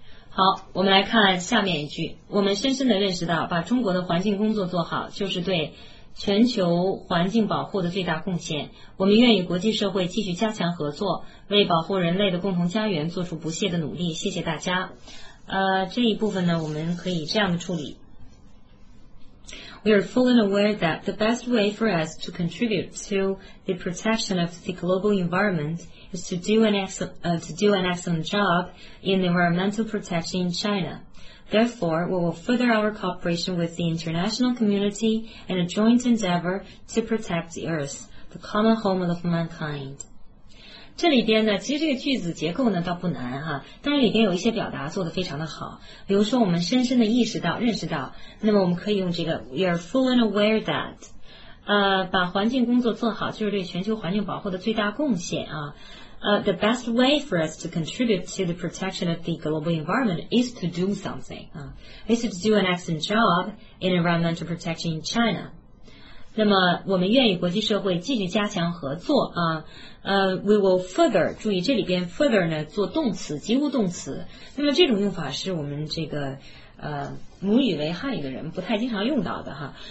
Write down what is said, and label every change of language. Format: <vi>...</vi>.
<zh>好，我们来看下面一句，我们深深地认识到，把中国的环境工作做好，就是对全球环境保护的最大贡献。我们愿与国际社会继续加强合作，为保护人类的共同家园做出不懈的努力。谢谢大家。这一部分呢，我们可以这样的处理。</zh> <en>We are fully aware that the best way for us to contribute to the protection of the global environment is to do an excellent job in environmental protection in China. Therefore, we will further our cooperation with the international community in a joint endeavor to protect the Earth, the common home of mankind.</en> <zh>这里边呢，其实这个句子结构呢倒不难哈，但是里边有一些表达做得非常的好。比如说我们深深的意识到、认识到，那么我们可以用这个</zh> <en>We are fully aware that，</en> <zh>把环境工作做好就是对全球环境保护的最大贡献啊。</zh> <en>The best way for us to contribute to the protection of the global environment is to do something. Is to do an excellent job in environmental protection in China.</en> <zh>那么我们愿与国际社会继续加强合作啊。</zh> <en>We will further,</en> <zh>注意这里边 further 呢做动词，及物动词。那么这种用法是我们这个母语为汉语的人不太经常用到的哈。</zh>